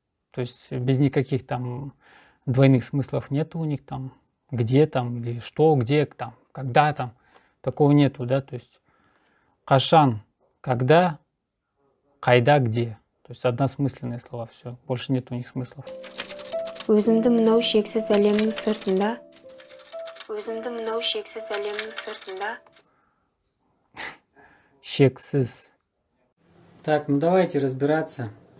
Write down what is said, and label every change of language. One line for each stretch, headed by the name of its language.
Russian: То есть без никаких там двойных смыслов нету у них там. Где там, или что, где там, когда там. Такого нету, да. То есть кашан — когда, кайда — где. То есть односмысленные слова, все. Больше нету у них смыслов.
Kazakh: Өзімді мынау шексіз әлемнің сыртында. Өзімді мынау шексіз әлемнің сыртында. Шексіз.
Russian: Так, ну давайте разбираться.